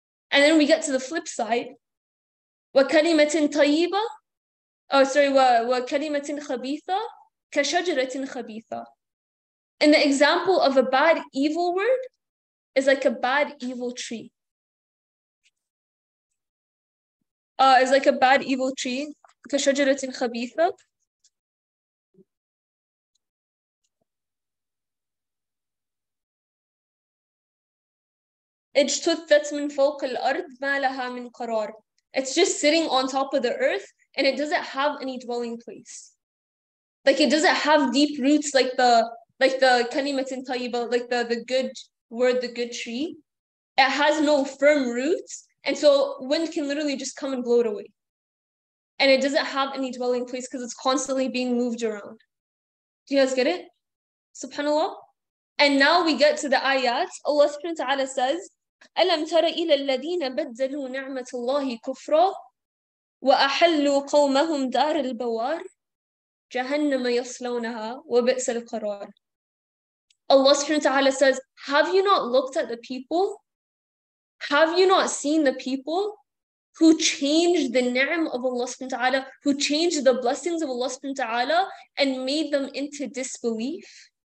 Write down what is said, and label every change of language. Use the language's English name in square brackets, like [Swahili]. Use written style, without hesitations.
[English] And then we get to the flip side. [Arabic] وَكَلِمَةٍ طَيِّبَةً [English] Oh, sorry, [Arabic] وَكَلِمَةٍ خَبِيثَةً كَشَجَرَةٍ خَبِيثَةً [English] And the example of a bad, evil word is like a bad, evil tree. It's like a bad, evil tree. [Arabic] كَشَجَرَةٍ خَبِيثَةً اجتثت من فوق الأرض ما لها من قرار. [English] It's just sitting on top of the earth and it doesn't have any dwelling place. Like it doesn't have deep roots like the [Arabic] كلمة طيبة, [English] like the good word, the good tree. It has no firm roots, and so wind can literally just come and blow it away. And it doesn't have any dwelling place because it's constantly being moved around. Do you guys get it? SubhanAllah. And now we get to the ayat. Allah subhanahu wa ta'ala says, [Arabic] أَلَمْ تَرَ إِلَى الَّذِينَ بَدَّلُوا نِعْمَةَ اللَّهِ كُفْرًا وَأَحَلُّوا قَوْمَهُمْ دَارَ الْبَوَارِ جَهَنَّمَ يَصْلَوْنَهَا وَبِئْسَ الْقَرَارِ. [English] Allah subhanahu wa ta'ala says, have you not looked at the people? Have you not seen the people who changed the ni'm of Allah subhanahu wa ta'ala, who changed the blessings of Allah subhanahu wa ta'ala and made them into disbelief?